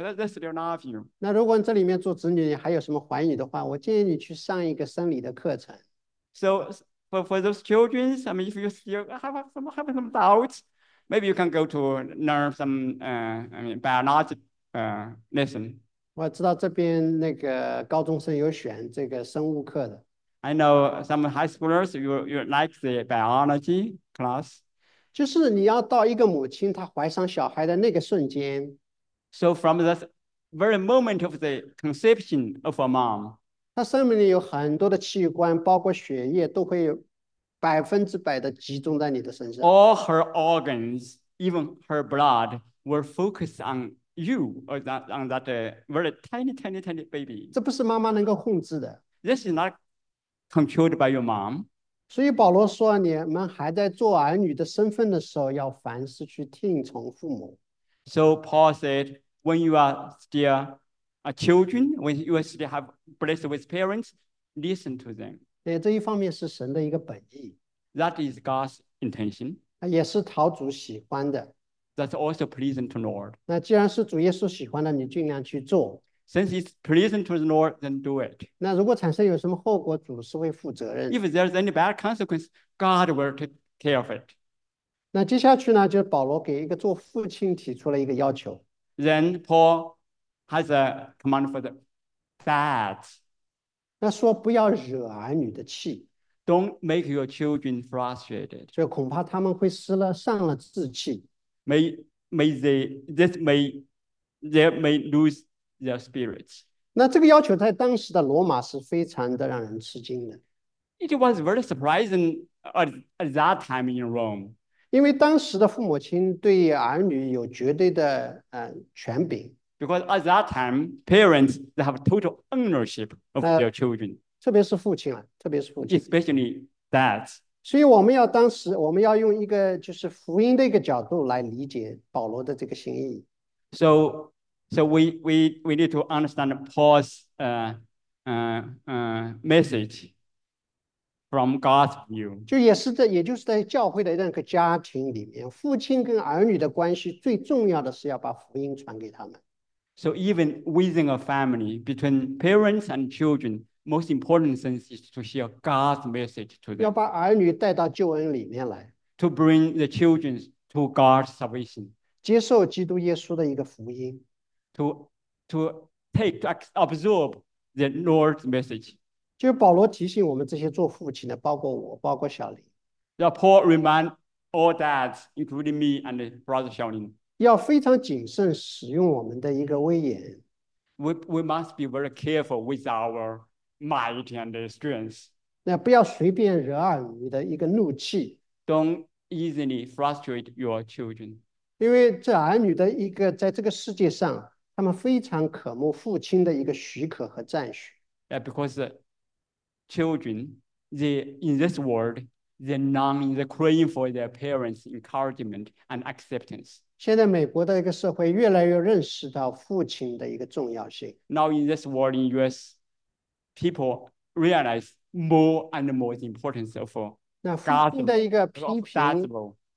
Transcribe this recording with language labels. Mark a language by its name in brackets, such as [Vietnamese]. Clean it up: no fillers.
[English] That's still love you. [Chinese] 那如果这里面做子女还有什么怀疑的话，我建议你去上一个生理的课程。 [English] So for those children, I mean, if you still have some doubts. Maybe you can go to learn some biology lesson. [Chinese] 我知道这边那个高中生有选这个生物课的。 [English] I know some high schoolers you like the biology class. [Chinese] 就是你要到一个母亲她怀上小孩的那个瞬间。 [English] So from the very moment of the conception of a mom. [Chinese] 她身体里有很多的器官，包括血液都会有。百分之百的集中在你的身上。 [English] All her organs, even her blood, were focused on you, or on that very tiny, tiny, tiny baby. [Chinese] 这不是妈妈能够控制的。 [English] This is not controlled by your mom. [Chinese] 所以保罗说，你们还在做儿女的身份的时候，要凡事去听从父母。 [English] So Paul said, when you are still children, when you still have blessed with parents, listen to them. [Chinese] 对，这一方面是神的一个本意。 [English] That is God's intention. [Chinese] 也是讨主喜欢的。 [English] That's also pleasing to the Lord. [Chinese] 那既然是主耶稣喜欢的，你尽量去做。 [English] Since it's pleasing to the Lord, then do it. [Chinese] 那如果产生有什么后果，主是会负责任。 [English] If there's any bad consequence, God will take care of it. [Chinese] 那接下去呢，就是保罗给一个做父亲提出了一个要求。 [English] Then Paul has a command for the dads. [Chinese] 那说不要惹儿女的气。 [English] Don't make your children frustrated. [Chinese] 所以恐怕他们会失了上了志气。 [English] May they lose their spirits. [Chinese] 那这个要求在当时的罗马是非常的让人吃惊的。 [English] It was very surprising at that time in Rome. [Chinese] 因为当时的父母亲对儿女有绝对的权柄。 [English] Because at that time, parents they have total ownership of their children. [Chinese] 特别是父亲了，特别是父亲。 [English] Especially dads. [Chinese] 所以我们要当时，我们要用一个就是福音的一个角度来理解保罗的这个心意。 [English] So we need to understand Paul's message from God's view. [Chinese] 就也是在，也就是在教会的那个家庭里面，父亲跟儿女的关系最重要的是要把福音传给他们。 [English] So even within a family, between parents and children, most important thing is to share God's message to them. [Chinese] 要把儿女带到救恩里面来。 [English] To bring the children to God's salvation. [Chinese] 接受基督耶稣的一个福音。 [English] To absorb the Lord's message. [Chinese] 就保罗提醒我们这些做父亲的，包括我，包括小林。 [English] The Paul remind all dads, including me and Brother Xiaolin. [Chinese] 要非常谨慎使用我们的一个威严。 [English] We must be very careful with our might and strength. [Chinese] 那不要随便惹儿女的一个怒气。 [English] Don't easily frustrate your children. [Chinese] 因为这儿女的一个在这个世界上，他们非常渴慕父亲的一个许可和赞许。 [English] Yeah, because children, they in this world, they long, they crave for their parents' encouragement and acceptance. [Chinese] 现在美国的一个社会越来越认识到父亲的一个重要性。 [English] Now in this world in US, people realize more and more the importance of God's role.